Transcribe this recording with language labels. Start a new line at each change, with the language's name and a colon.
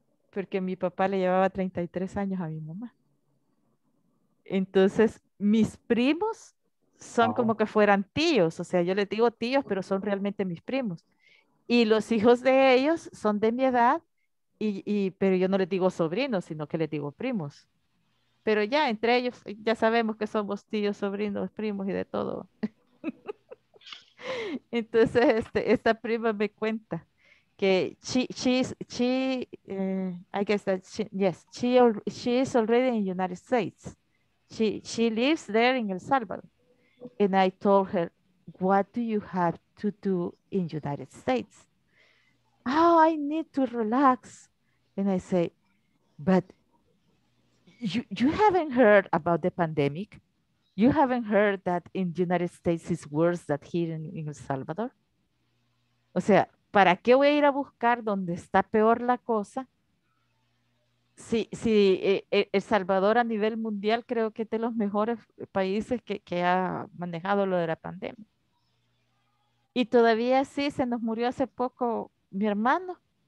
Spanish: Porque mi papá le llevaba 33 años a mi mamá. Entonces, mis primos son como que fueran tíos. O sea, yo les digo tíos, pero son realmente mis primos. Y los hijos de ellos son de mi edad, pero yo no les digo sobrinos, sino que les digo primos. Pero ya, entre ellos, ya sabemos que somos tíos, sobrinos, primos y de todo. Entonces, esta prima me cuenta.
English: Que she is already in the United States. She lives there in El Salvador. And I told her, what do you have to do in the United States? Oh, I need to relax. And I say, but you haven't heard about the pandemic. You haven't heard that in the United States is worse than here in El Salvador.
Spanish: O sea, ¿para qué voy a ir a buscar donde está peor la cosa? Si El Salvador a nivel mundial creo que es de los mejores países que ha manejado lo de la pandemia. Y todavía sí, se nos murió hace poco mi hermano.